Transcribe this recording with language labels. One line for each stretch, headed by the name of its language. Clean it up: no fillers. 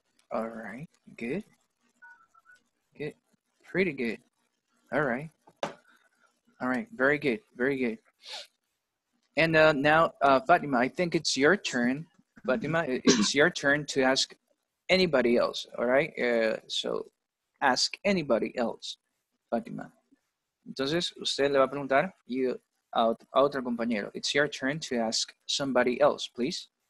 English: All right, good, pretty good. All right, very good. And now, Fatima, I think it's your turn. Fatima, it's your turn to ask anybody else, all right? So ask anybody else, Fatima.
Spanish: Entonces, usted le va a preguntar a otro compañero.
English: It's your turn to ask somebody else, please.